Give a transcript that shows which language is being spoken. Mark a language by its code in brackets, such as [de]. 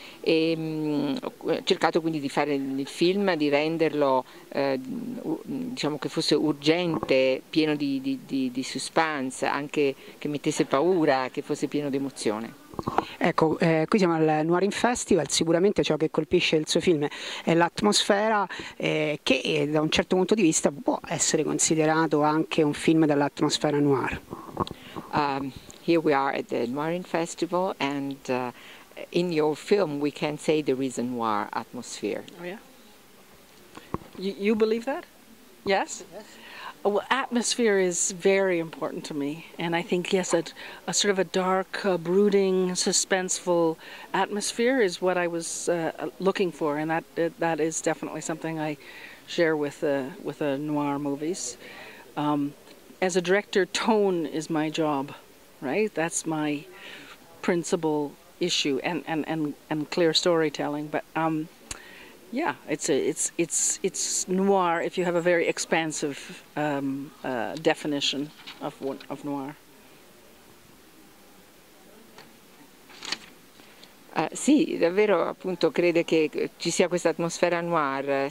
[it] E, ho cercato quindi di fare il film, di renderlo, diciamo che fosse urgente, pieno di suspense, anche che mettesse paura, che fosse pieno di emozione. Ecco, qui siamo al Noir in Festival, sicuramente ciò che colpisce il suo film è l'atmosfera, che da un certo punto di vista può essere considerato anche un film dall'atmosfera noir. [en] Here we are at the Noirin Festival, and in your film, we can say there is a noir atmosphere. Oh yeah? You believe that? Yes? Well, atmosphere is very important to me, and I think, yes, a sort of a dark, brooding, suspenseful atmosphere is what I was looking for, and that is definitely something I share with noir movies. As a director, tone is my job, right? That's my principal issue, and clear storytelling. But yeah, it's noir if you have a very expansive definition of noir. [it] Sì, davvero, appunto, crede che ci sia questa atmosfera noir.